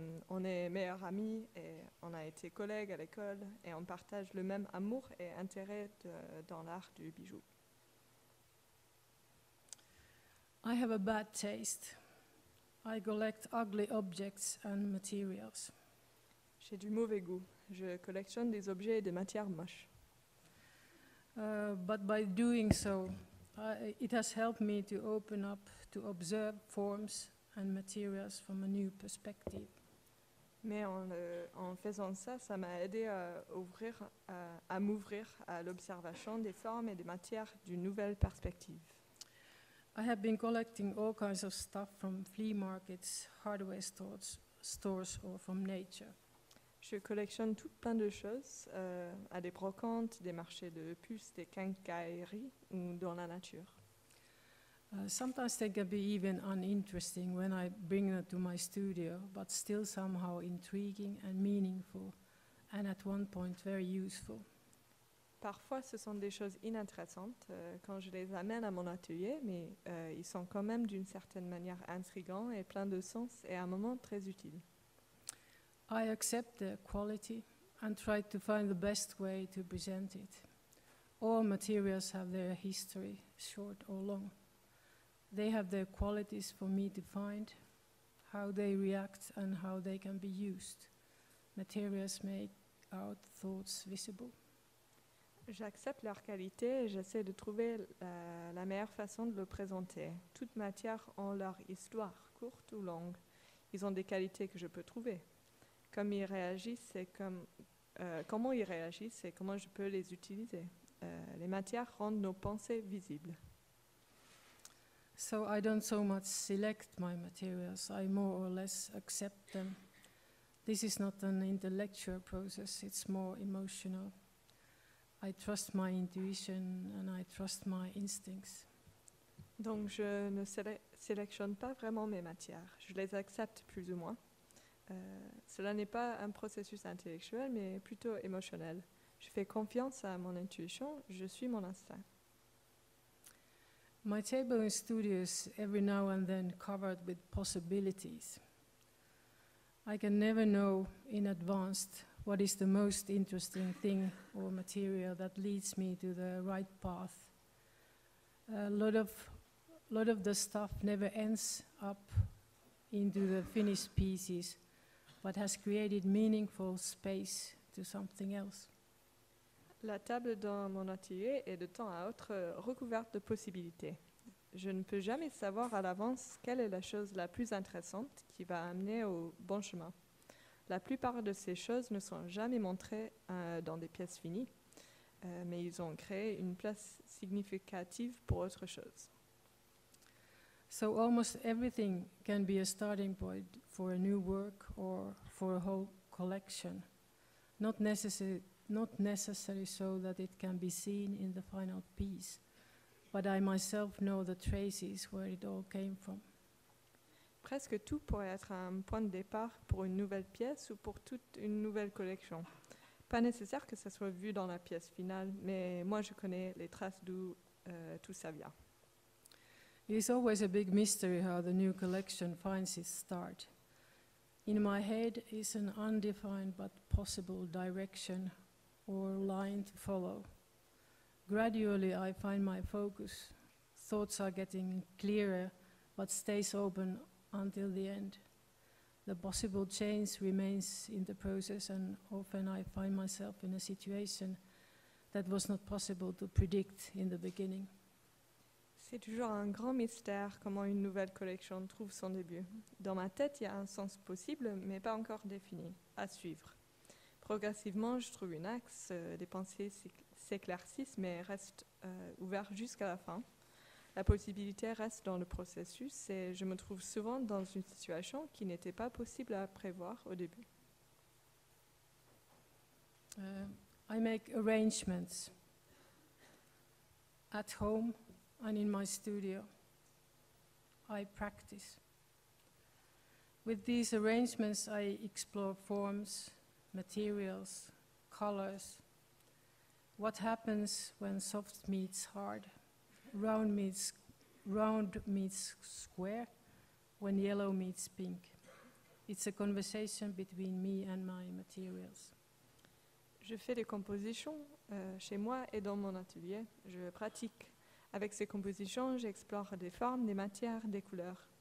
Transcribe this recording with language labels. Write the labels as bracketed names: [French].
[French] On est meilleurs amis et on a été collègues à l'école et on partage le même amour et intérêt dans l'art du bijou. [English] I have a bad taste. I collect ugly objects and materials. [French] J'ai du mauvais goût. Je collectionne des objets et des matières moches. [English] But by doing so, it has helped me to open up to observe forms and materials from a new perspective. [French] Mais en faisant ça, ça m'a aidé à m'ouvrir à l'observation des formes et des matières d'une nouvelle perspective. [English] I have been collecting all kinds of stuff from flea markets, hardware stores, or from nature. [French] Je collectionne tout plein de choses, à des brocantes, des marchés de puces, des quincailleries ou dans la nature. [English] Sometimes they can be even uninteresting when I bring them to my studio, but still somehow intriguing and meaningful, and at one point very useful. [French] Parfois, ce sont des choses inintéressantes quand je les amène à mon atelier, mais ils sont quand même d'une certaine manière intrigants et pleins de sens et à un moment très utiles. [English] I accept the quality and try to find the best way to present it. All materials have their history, short or long. They have their qualities for me to find, how they react and how they can be used. Materials make our thoughts visible. [French] J'accepte leur qualité et j'essaie de trouver la meilleure façon de le présenter. Toutes matières ont leur histoire, courte ou longue. Ils ont des qualités que je peux trouver. Comme ils réagissent et comment ils réagissent et comment je peux les utiliser. Les matières rendent nos pensées visibles. [English] So I don't so much select my materials, I more or less accept them. This is not an intellectual process, it's more emotional. I trust my intuition and I trust my instincts. [French] Donc je ne sélectionne pas vraiment mes matières, je les accepte plus ou moins. Cela n'est pas un processus intellectuel, mais plutôt émotionnel. Je fais confiance à mon intuition, je suis mon instinct. [English] My table in studio is every now and then covered with possibilities. I can never know in advance what is the most interesting thing or material that leads me to the right path. A lot of the stuff never ends up into the finished pieces, but has created meaningful space to something else. [French] La table dans mon atelier est de temps à autre recouverte de possibilités. Je ne peux jamais savoir à l'avance quelle est la chose la plus intéressante qui va amener au bon chemin. La plupart de ces choses ne sont jamais montrées dans des pièces finies, mais ils ont créé une place significative pour autre chose. [English] So almost everything can be a starting point for a new work or for a whole collection. Not necessarily so that it can be seen in the final piece, but I myself know the traces where it all came from. [French] Presque tout pourrait être un point de départ pour une nouvelle pièce ou pour toute une nouvelle collection. Pas nécessaire que ça soit vu dans la pièce finale, mais moi je connais les traces d'où tout ça vient. [English] It is always a big mystery how the new collection finds its start. In my head is an undefined but possible direction or line to follow. Gradually I find my focus. Thoughts are getting clearer, but stays open until the end. The possible change remains in the process, and often I find myself in a situation that was not possible to predict in the beginning. [French] C'est toujours un grand mystère comment une nouvelle collection trouve son début. Dans ma tête, il y a un sens possible, mais pas encore défini, à suivre. Progressivement, je trouve un axe, des pensées s'éclaircissent, mais restent ouvertes jusqu'à la fin. La possibilité reste dans le processus et je me trouve souvent dans une situation qui n'était pas possible à prévoir au début. [English] I make arrangements at home and in my studio. I practice. With these arrangements, I explore forms, materials, colors. What happens when soft meets hard? Round meets square, when yellow meets pink. It's a conversation between me and my materials. [French] Je fais des compositions chez moi et dans mon atelier. Je pratique. Avec ces compositions, j'explore des formes, des matières, des couleurs.